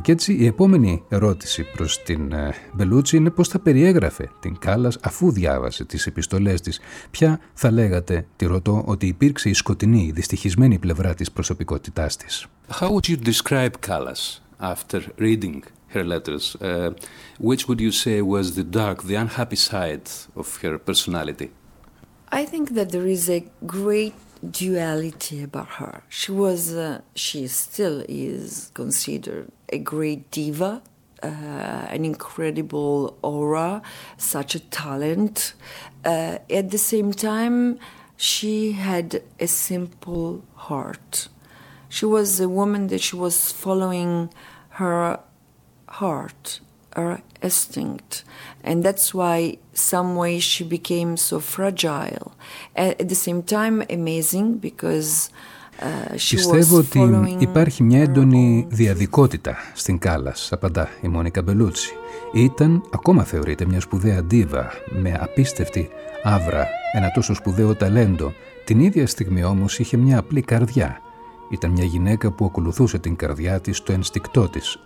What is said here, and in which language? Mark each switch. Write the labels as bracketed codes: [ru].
[el] Και έτσι η επόμενη ερώτηση προς την Μπελούτσι είναι πώς θα περιέγραφε την Κάλλας αφού διάβασε τις επιστολές της. Ποια θα λέγατε, τη ρωτώ, ότι υπήρξε η σκοτεινή, η δυστυχισμένη πλευρά της προσωπικότητάς της. [en] How would you describe Kallas after reading her letters? Which would you say was the dark, the unhappy side of her personality? I think that there is a great duality about her. She was, she still is considered a great diva, an incredible aura, such a talent. At the same time, she had a simple heart. She was a woman that she was following her heart, her instinct. And that's why some way she became so fragile. At the same time, amazing, because she [el] Πιστεύω [en] was [el] ότι υπάρχει μια έντονη διαδικότητα στην Κάλλας, απαντά η Μόνικα Μπελούτσι. Ήταν, ακόμα θεωρείται, μια σπουδαία ντίβα, με απίστευτη άβρα, ένα τόσο σπουδαίο ταλέντο. Την ίδια στιγμή όμως είχε μια απλή καρδιά. Ήταν μια γυναίκα που ακολουθούσε την καρδιά της, το ενστικτό της.